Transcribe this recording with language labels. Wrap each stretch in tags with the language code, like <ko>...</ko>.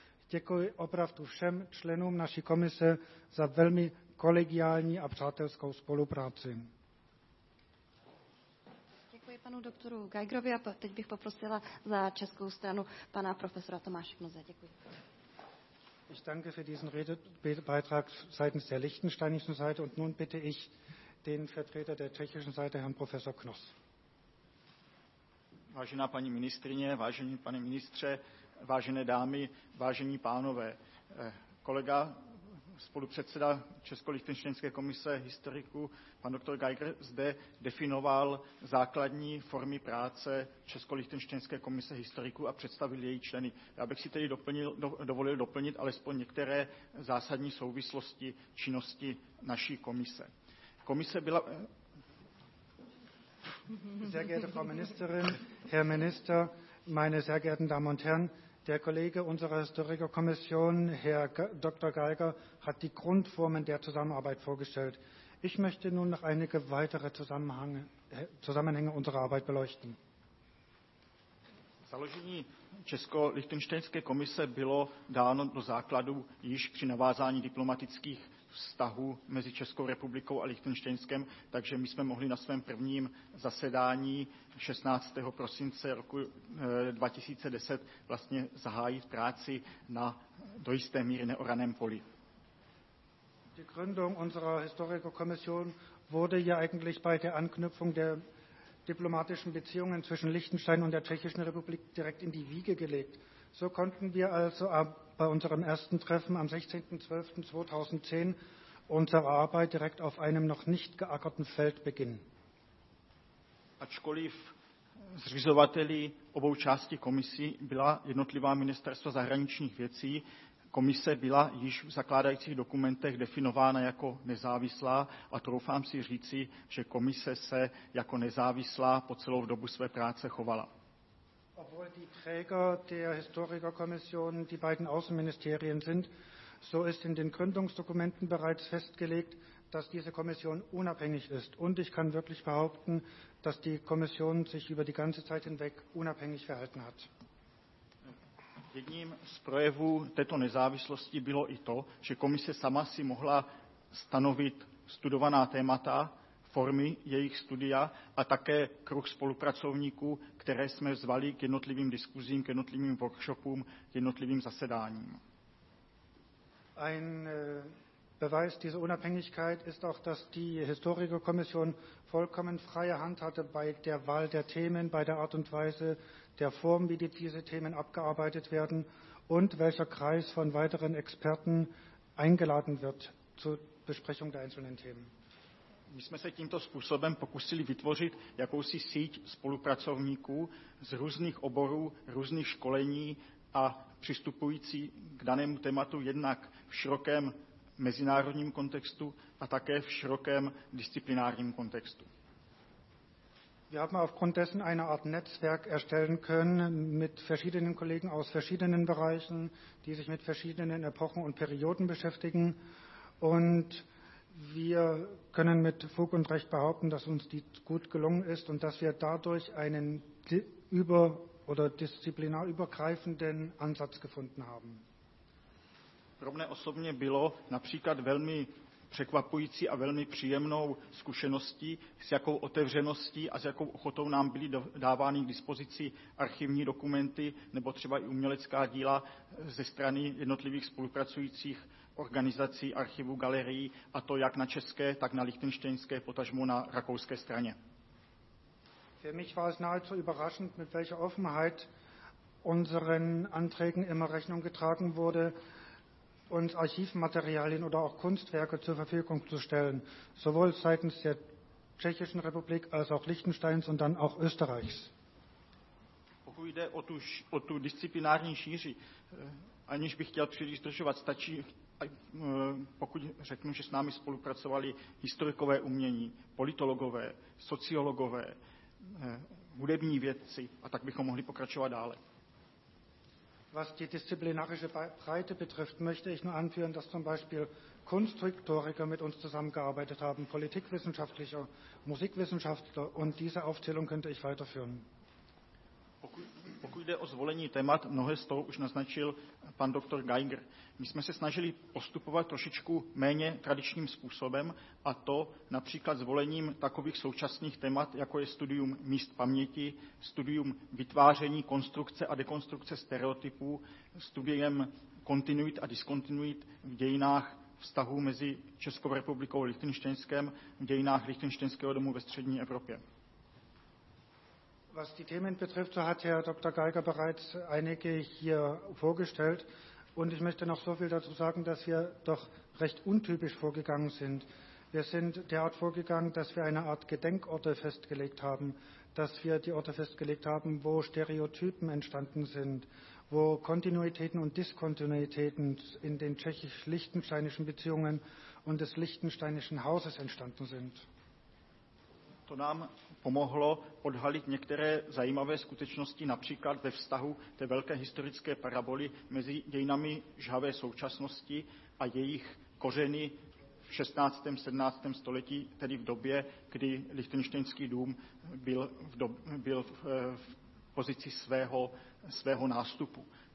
<cs>Děkuji opravdu všem členům naší komise za velmi kolegiální a přátelskou spolupráci. Děkuji panu doktoru Geigerovi a teď bych poprosila za českou stranu pana profesora Tomáše Knoose. Děkuji.</cs> <de>Ich danke für diesen Redebeitrag seitens der lichtensteinischen Seite und nun bitte ich den Vertreter der tschechischen Seite, Herrn Professor Knoos.</de> <cs>Vážená paní ministrině, vážený pane ministře, vážené dámy, vážení pánové, kolega spolupředseda Česko-lichtenštejnské komise historiků, pan doktor Geiger, zde definoval základní formy práce Česko-lichtenštejnské komise historiků a představil její členy. Já bych si tedy dovolil doplnit alespoň některé zásadní souvislosti činnosti naší komise. Komise byla...</cs> <de>Sehr geehrte Frau Ministerin, Herr Minister, meine sehr geehrten Damen und Herren, der Kollege unserer Historikerkommission, Herr Dr. Geiger, hat die Grundformen der Zusammenarbeit vorgestellt. Ich möchte nun noch einige weitere Zusammenhänge unserer Arbeit beleuchten.</de> <cs>Založení Česko-Lichtenštejnské komise bylo dáno do základu již při navázání diplomatických vztahu mezi Českou republikou a Lichtenštejnskem, takže my jsme mohli na svém prvním zasedání 16. prosince roku 2010 vlastně zahájit práci na do jisté míry neoraném poli.</cs> <de>Die Gründung unserer Historikerkommission wurde ja eigentlich bei der Anknüpfung der diplomatischen Beziehungen zwischen Liechtenstein und der Tschechischen Republik direkt in die Wiege gelegt. So konnten wir also bei unserem ersten Treffen am 16.12.2010 unsere Arbeit direkt auf einem noch nicht geackerten Feld beginnen.</de> <cs>Ačkoliv zřizovateli obou částí komisí byla jednotlivá ministerstva zahraničních věcí, komise byla již v zakládajících dokumentech definována jako nezávislá a troufám si říci, že komise se jako nezávislá po celou dobu své práce chovala.</cs> <de>Obwohl die Träger der Historikerkommission die beiden Außenministerien sind, so ist in den Gründungsdokumenten bereits festgelegt, dass diese Kommission unabhängig ist. Und ich kann wirklich behaupten, dass die Kommission sich über die ganze Zeit hinweg unabhängig verhalten hat.</de> <cs>Jedním z projevů této nezávislosti bylo i to, že komise sama si mohla stanovit studovaná témata, formy jejich studia a také kruh spolupracovníků, které jsme zvali k jednotlivým diskuzím, k jednotlivým workshopům, k jednotlivým zasedáním.</cs> <de>Ein Beweis dieser Unabhängigkeit ist auch, dass die Historikerkommission vollkommen freie Hand hatte bei der Wahl der Themen, bei der Art und Weise der Form, wie diese Themen abgearbeitet werden und welcher Kreis von weiteren Experten eingeladen wird zur Besprechung der einzelnen Themen.</de> <cs>My jsme se tímto způsobem pokusili vytvořit jakousi síť spolupracovníků z různých oborů, různých školení a přistupující k danému tématu jednak v širokém mezinárodním kontextu a také v širokém disciplinárním kontextu.</cs> <de>Wir haben aufgrund dessen eine Art Netzwerk erstellen können mit verschiedenen Kollegen aus verschiedenen Bereichen, die sich mit verschiedenen Epochen und Perioden beschäftigen und wir können mit Fug und Recht behaupten, dass uns die gut gelungen ist und dass wir dadurch einen über- oder disziplinarübergreifenden Ansatz gefunden haben.</de> <cs>Pro mne osobně bylo například velmi překvapující a velmi příjemnou zkušeností, s jakou otevřeností a s jakou ochotou nám byly dávány k dispozici archivní dokumenty nebo třeba i umělecká díla ze strany jednotlivých spolupracujících organizací, archivů, galerií, a to jak na české, tak na lichtenštejnské, potažmo na rakouské straně.</cs> <de>Für mich war es nahezu überraschend, mit welcher Offenheit unseren Anträgen immer Rechnung getragen wurde, uns Archivmaterialien oder auch Kunstwerke zur Verfügung zu stellen, sowohl seitens der Tschechischen Republik als auch Liechtensteins und dann auch Österreichs.</de> <cs>Pokud jde o tu disciplinární šíři, aniž bych chtěl příliš zdržovat, stačí, pokud řeknu, že s námi spolupracovali historikové umění, politologové, sociologové, hudební vědci, a tak bychom mohli pokračovat dále.</cs> <de>Was die disziplinarische Breite betrifft, möchte ich nur anführen, dass zum Beispiel Kunsthistoriker mit uns zusammengearbeitet haben, Politikwissenschaftler, Musikwissenschaftler und diese Aufzählung könnte ich weiterführen.</de> <cs>Pokud jde o zvolení témat, mnohé z toho už naznačil pan doktor Geiger. My jsme se snažili postupovat trošičku méně tradičním způsobem, a to například zvolením takových současných témat, jako je studium míst paměti, studium vytváření konstrukce a dekonstrukce stereotypů, studiem kontinuit a diskontinuit v dějinách vztahů mezi Českou republikou a Lichtenštejnskem, v dějinách Lichtenštejnského domu ve střední Evropě.</cs> <de>Was die Themen betrifft, so hat Herr Dr. Geiger bereits einige hier vorgestellt. Und ich möchte noch so viel dazu sagen, dass wir doch recht untypisch vorgegangen sind. Wir sind derart vorgegangen, dass wir eine Art Gedenkorte festgelegt haben, dass wir die Orte festgelegt haben, wo Stereotypen entstanden sind, wo Kontinuitäten und Diskontinuitäten in den tschechisch-lichtensteinischen Beziehungen und des lichtensteinischen Hauses entstanden sind.</de> <cs>To nám pomohlo odhalit některé zajímavé skutečnosti, například ve vztahu té velké historické paraboly mezi dějinami žhavé současnosti a jejich kořeny v 16. 17. století, tedy v době, kdy Lichtenštejnský dům byl v pozici svého nástupu.</cs>